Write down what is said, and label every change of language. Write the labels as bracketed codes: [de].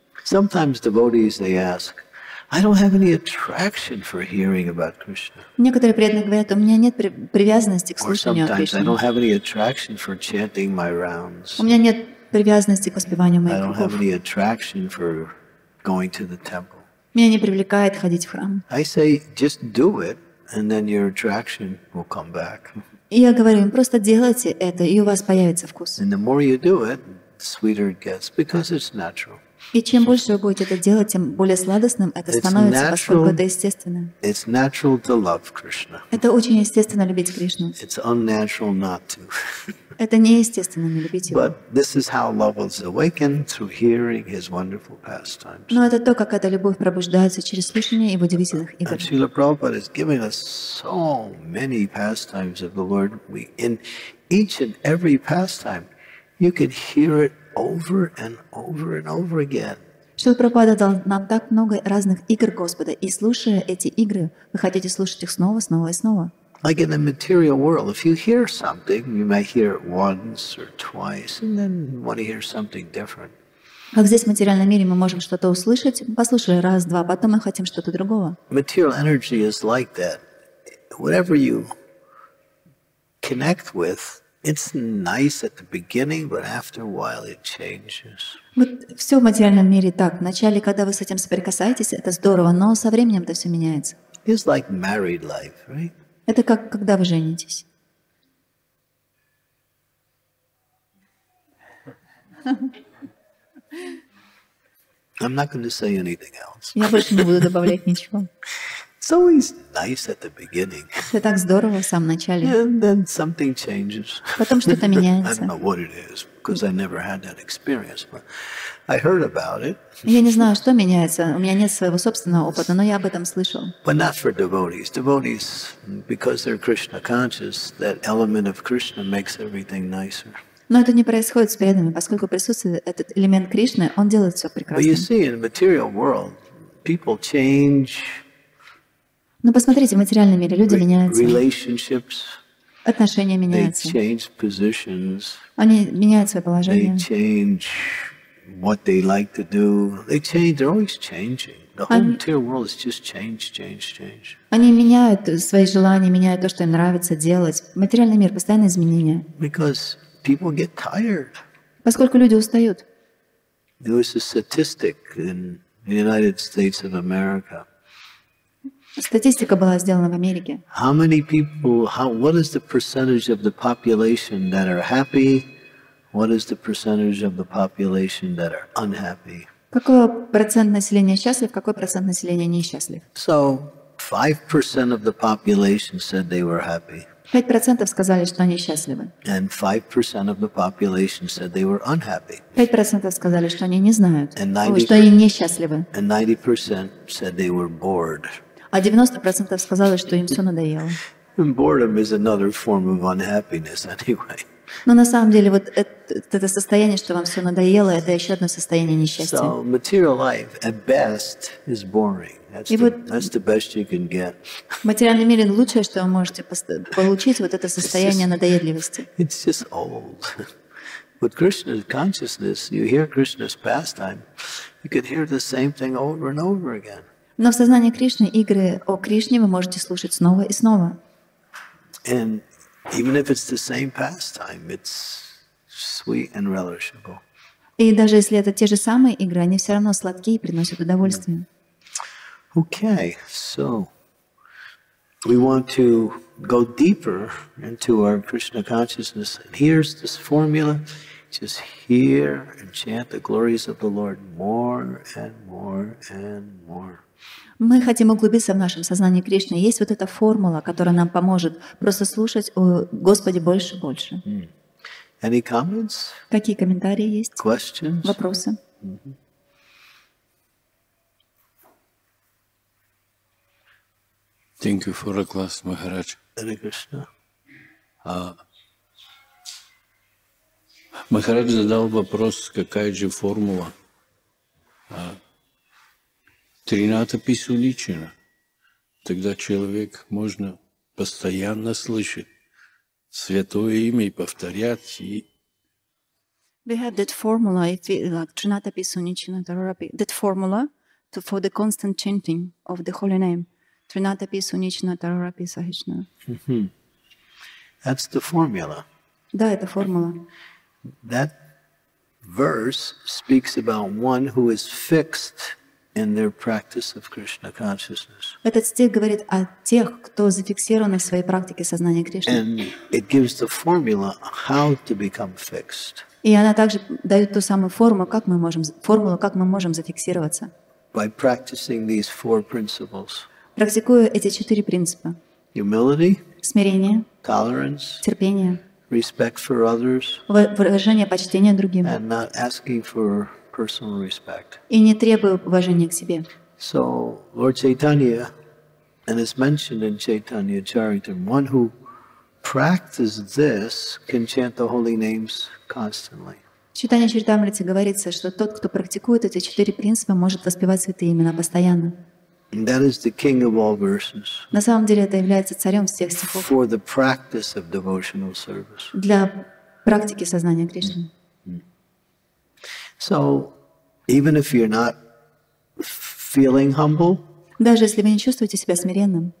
[en] sometimes devotees, they ask, I don't have any attraction for hearing about Krishna. [ru] Некоторые преданные говорят, у меня нет привязанности к слушанию о Кришне. [en] Or sometimes I don't have any attraction for chanting my rounds. [ru] У меня нет привязанности к воспеванию моих кругов. [en] I don't have any attraction for going to the temple. [ru] Меня не привлекает ходить в храм. [en] I say, just do it, and then your attraction will come back. [ru] Я говорю им, просто делайте это, и у вас появится вкус. [en] And the more you do it, the sweeter it gets, because it's natural. [ru] И чем больше вы будете это делать, тем более сладостным это становится, поскольку это естественно. [en] It's natural to love Krishna. [ru] Это очень естественно любить Кришну. [en] It's unnatural not to. [ru] Это неестественно не любить его. [en] But this is how love is awakened through hearing his wonderful pastimes. [ru] Но это то, как эта любовь пробуждается через слушание его удивительных игр. [en] Srila Prabhupada has given us so many pastimes of the Lord. We, in each and every pastime, you could hear it over and over and over again. [ru] Шрила Прабхупада дал нам так много разных игр Господа, и слушая эти игры, вы хотите слушать их снова, снова и снова. [en] Like in the material world, if you hear something, you may hear it once or twice, and then want to hear something different. [ru] Как здесь, в материальном мире, мы можем что-то услышать, послушали раз, два, потом мы хотим что-то другого. [en] Material energy is like that. Whatever you connect with, it's nice at the beginning, but after a while it changes. [ru] Вот все в материальном мире так. Вначале, когда вы с этим соприкасаетесь, это здорово, но со временем это все меняется. [en] It's like married life, right? [ru] Это как когда вы женитесь. [en] I'm not going to say anything else. [ru] Я больше не буду добавлять ничего. [en] It's always nice at the beginning. [ru] Это так здорово в самом начале. [en] And then something changes. [ru] Потом что-то меняется. [en] I don't know what it is, because I never had that experience, but I heard about it. [ru] Я не знаю, что меняется. У меня нет своего собственного опыта, но я об этом слышал. [en] But not for devotees. Devotees, because they're Krishna conscious, that element of Krishna makes everything nicer. [ru] Но это не происходит с преданными, поскольку присутствует этот элемент Кришны, он делает все прекрасно. [en] But you see, in the material world, people change. [ru] Но посмотрите, в материальном мире люди меняются. [en] Relationships, [ru] отношения меняются. [en] They change positions, [ru] они меняют свое положение. [en] They change what they like to do. They change, they're always changing. The whole material world is just change, change, change. [ru] Они меняют свои желания, меняют то, что им нравится делать. Материальный мир постоянно изменения. [en] Because people get tired. [ru] Поскольку люди устают. [en] There was a statistic in the United States of America. [ru] Статистика была сделана в Америке. [en] How many people, what is the percentage of the population that are happy? What is the percentage of the population that are unhappy? [ru] Какой процент населения счастлив, какой процент населения несчастлив? [en] So, 5% of the population said they were happy. [ru] 5% сказали, что они счастливы. [en] And 5% of the population said they were unhappy. [ru] 5% сказали, что они не знают, что они несчастливы. [en] And 90% said they were bored. [ru] А 90% сказали, что им все надоело. [en] And boredom is another form of unhappiness anyway. [ru] Но на самом деле вот это состояние, что вам все надоело, это еще одно состояние несчастья. [en] So material life at best is boring. That's the best you can get. [ru] В материальном мире лучшее, что вы можете получить, вот это состояние надоедливости. [en] It's just old. With Krishna's consciousness, you hear Krishna's pastime, you can hear the same thing over and over again. [ru] Но в сознании Кришны игры о Кришне вы можете слушать снова и снова. [en] And even if it's the same pastime, it's sweet and relishable. [ru] И даже если это те же самые игры, они все равно сладкие и приносят удовольствие. [en] Okay, so we want to go deeper into our Krishna consciousness. And here's this formula. just hear and chant the glories of the Lord more and more and more. [ru] Мы хотим углубиться в нашем сознании Кришны. Есть вот эта формула, которая нам поможет просто слушать о Господе больше и больше. [en] Any comments? [ru] Какие комментарии есть? [en] Questions? [ru] Вопросы? [en] Thank you for a class, Maharaj. Hare Krishna. [ru] Maharaj задал вопрос, какая же формула? Трината пись уличена. Тогда человек можно постоянно слышать святое имя и повторять. И... [en] We have that formula, if we, like Trinata Pisunichina, that formula to, for the constant chanting of the holy name. [sa] Trinata Pisunichina, Tarorapi Sahichina. [en] That's the formula. [ru] Да, это формула. [en] That verse speaks about one who is fixed in their practice of Krishna consciousness. [ru] Этот стих говорит о тех, кто зафиксирован в своей практике сознания Кришны. [en] And it gives the formula how to become fixed. [ru] И она также дает ту самую форму, как мы можем, формулу, как мы можем зафиксироваться. [en] By practicing these four principles. [ru] Практикуя эти четыре принципа. [en] Humility. [ru] Смирение. [en] Tolerance. [ru] Терпение. [en] Respect for others. [ru] Уважение, почтение другим. [en] And not asking for personal respect. [ru] И не требуя уважения к себе. [en] So, Lord Chaitanya, and it's mentioned in Chaitanya Charitam, one who practices this can chant the holy names constantly. [ru] В Чайтанья Чаритамрите говорится, что тот, кто практикует эти четыре принципа, может воспевать святые имена постоянно. [en] And that is the king of all verses. [ru] На самом деле это является царем всех стихов. [en] For the practice of devotional service. [ru] Для практики сознания Кришны. [en] So, even if you're not feeling humble, [ru] даже если вы не чувствуете себя смиренным,